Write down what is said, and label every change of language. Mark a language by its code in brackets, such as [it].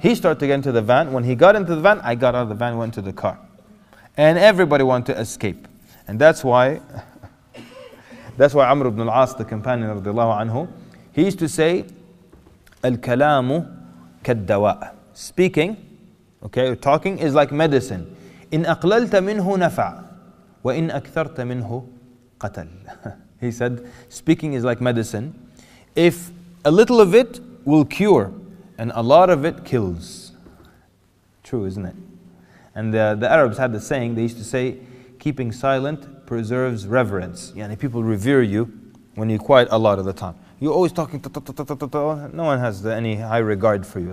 [en] He started to get into the van. When he got into the van, I got out of the van, went to the car. And everybody wanted to escape. And that's why Amr ibn al-As, the companion [ar] رضي الله عنه, [en] he used to say, [ar] الكلام كالدواء. [en] Speaking, okay, talking is like medicine. [ar] إن أقللت منه نفع وإن أكثرت منه قتل. [en] He said, speaking is like medicine. If a little of it will cure and a lot of it kills. True, isn't it? And the Arabs had the saying, they used to say, keeping silent preserves reverence. Yani people revere you when you're quiet a lot of the time. You're always talking, no one has any high regard for you.